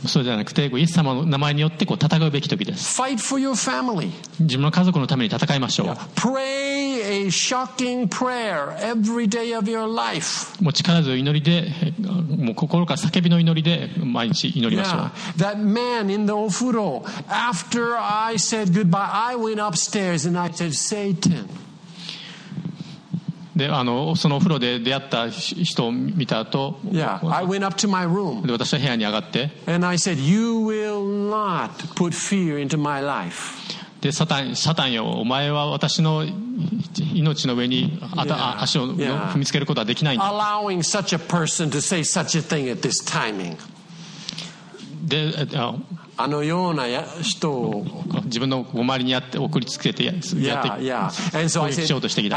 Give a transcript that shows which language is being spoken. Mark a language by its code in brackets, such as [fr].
[ja] そうじゃなくてイエス様の名前によってこう戦うべき時です。 [en] Fight for your family. [ja] 自分の家族のために戦いましょう。 [en] Pray a shocking prayer every day of your life. [ja] もう力強い祈りで、もう心から叫びの祈りで毎日祈りましょう。 [en] Yeah. That man in the ofuro, after I said goodbye, I went upstairs and I said, Satan. [ja] で、そのお風呂で出会った人を見た後、 [en] yeah, I went up to my room. [ja] で、私は部屋に上がって、 [en] and I said, you will not put fear into my life. [ja] で、サタンよ、お前は私の命の上に足を踏みつけることはできないんだ。 [en] Allowing such a person to say such a thing at this timing. [ja] で、あのような人を自分の周りにやって送りつけてやって攻撃しようとしてきた。